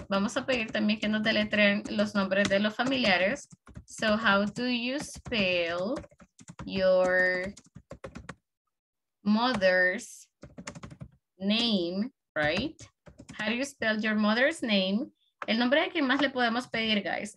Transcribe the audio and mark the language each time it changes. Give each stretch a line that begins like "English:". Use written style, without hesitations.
Spanish: Vamos a pedir también que nos deletreen los nombres de los familiares.
English: So how do you spell your mother's name, right? How do you spell your mother's name?
Spanish: El nombre de quien más le podemos pedir, guys.